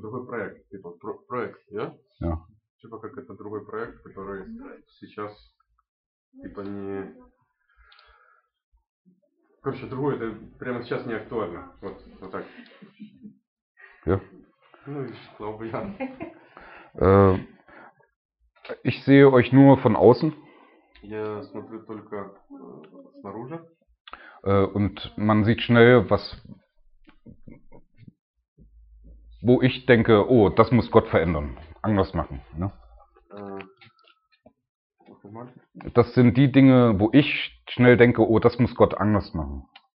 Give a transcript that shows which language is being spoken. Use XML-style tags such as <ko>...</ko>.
<ru>другой проект, типа проект, да? Да. Типа как это другой проект, который сейчас типа не. Короче, другой, это прямо сейчас не актуально. Вот так.</ru> <de>Ja. Ну, ich glaube, ja. Ich sehe euch nur von außen.</de> <ru>Я смотрю только снаружи.</ru> <de>Und man sieht schnell, was, wo ich denke, oh, das muss Gott verändern, anders machen. Ne? Das sind die Dinge, wo ich schnell denke, oh, das muss Gott anders machen.</de>